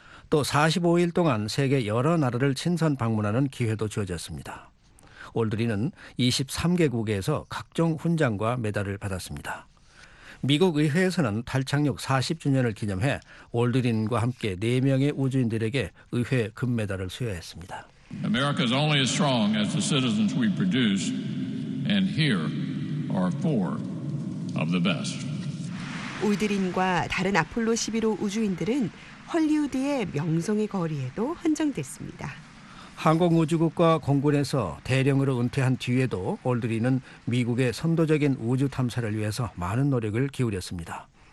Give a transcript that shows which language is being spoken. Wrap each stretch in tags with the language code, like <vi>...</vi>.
<ko>또 45일 동안 세계 여러 나라를 친선 방문하는 기회도 주어졌습니다. 올드리는 23개국에서 각종 훈장과 메달을 받았습니다. 미국 의회에서는 달 착륙 40주년을 기념해 올드린과 함께 4명의 우주인들에게 의회 금메달을 수여했습니다.</ko> <en>America is only as strong as the citizens we produce, and here are four of the best.</en> <ko>올드린과 다른 아폴로 11호 우주인들은 헐리우드의 명성의 거리에도 헌정됐습니다. 항공우주국과 공군에서 대령으로 은퇴한 뒤에도 올드린은 미국의 선도적인 우주 탐사를 위해서 많은 노력을 기울였습니다.</ko>